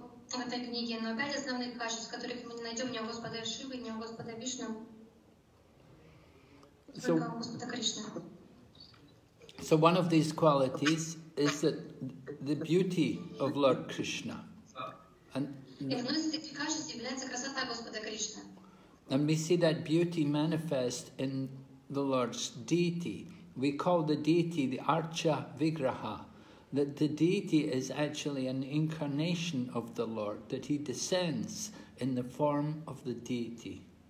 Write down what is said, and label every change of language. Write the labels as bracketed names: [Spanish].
[Russian] В этой книге, но пять основных качеств, которых мы не найдем ни у Господа Шивы, ни у Господа Вишну, только у Господа Кришны. [English] So one of these qualities is that the beauty of Lord Krishna. [Russian] И одной из этих качеств является красота Господа Кришны. [English] And we see that beauty manifest in the Lord's deity. We call the deity the Archa Vigraha. That the deity is actually an incarnation of the Lord, that he descends in the form of the deity.